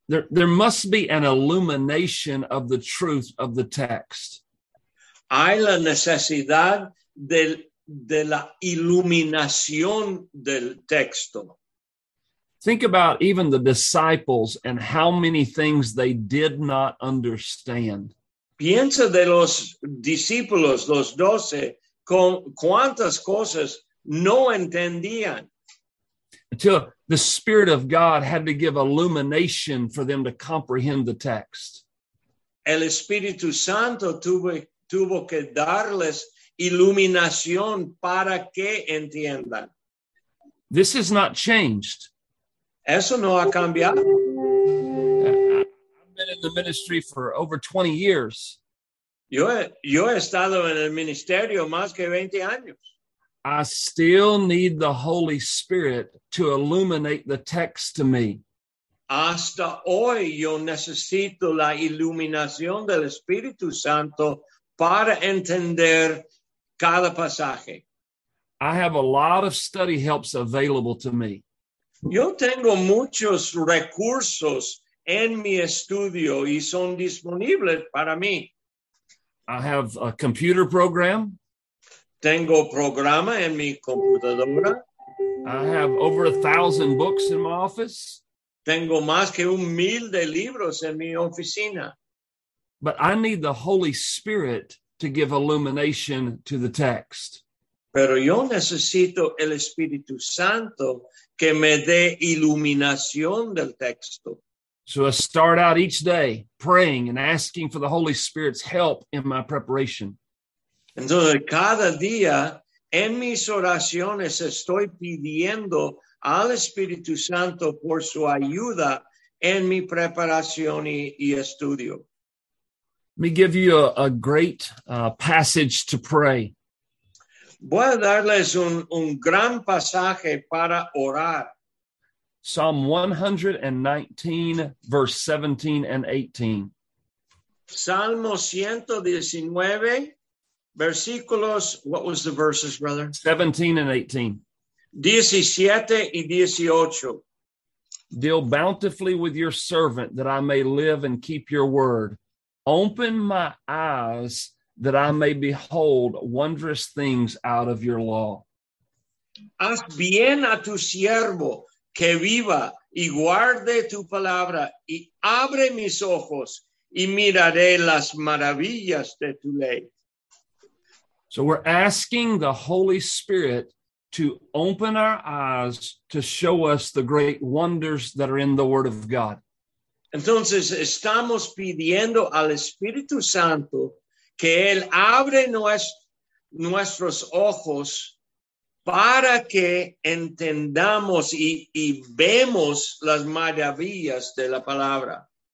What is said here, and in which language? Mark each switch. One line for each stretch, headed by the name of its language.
English: There must be an illumination of the truth of the text.
Spanish: Hay la necesidad de la iluminación del texto.
English: Think about even the disciples and how many things they did not understand.
Spanish: Piensa de los discípulos, los doce, con cuántas cosas no entendían.
English: Until the Spirit of God had to give illumination for them to comprehend the text.
Spanish: El Espíritu Santo tuvo que darles iluminación para que entiendan.
English: This has not changed.
Spanish: Eso no ha cambiado.
English: I've been in the ministry for over 20 years.
Spanish: Yo he estado en el ministerio más que 20 años.
English: I still need the Holy Spirit to illuminate the text to me.
Spanish: Hasta hoy yo necesito la iluminación del Espíritu Santo para entender cada pasaje.
English: I have a lot of study helps available to me.
Spanish: Yo tengo muchos recursos en mi estudio y son disponibles para mí.
English: I have a computer program.
Spanish: Tengo programa en mi computadora.
English: I have over 1,000 books in my office.
Spanish: Tengo más que 1,000 de libros en mi oficina.
English: But I need the Holy Spirit to give illumination to the text.
Spanish: Pero yo necesito el Espíritu Santo que me dé iluminación del texto.
English: So I start out each day praying and asking for the Holy Spirit's help in my preparation.
Spanish: Entonces, cada día en mis oraciones estoy pidiendo al Espíritu Santo por su ayuda en mi preparación y estudio.
English: Let me give you a great passage to pray.
Spanish: Voy a darles un gran pasaje para orar.
English: Psalm 119, verse 17 and 18.
Spanish: Salmo 119, versículos,
English: what was the verses, brother? 17 and 18.
Spanish: 17 y 18.
English: Deal bountifully with your servant that I may live and keep your word. Open my eyes that I may behold wondrous things out of your law.
Spanish: Haz bien a tu siervo que viva y guarde tu palabra y abre mis ojos y miraré las maravillas de tu ley.
English: So we're asking the Holy Spirit to open our eyes to show us the great wonders that are in the Word of God.
Spanish: Entonces, estamos pidiendo al Espíritu Santo que Él abre nuestros ojos para que entendamos y vemos las maravillas de la palabra.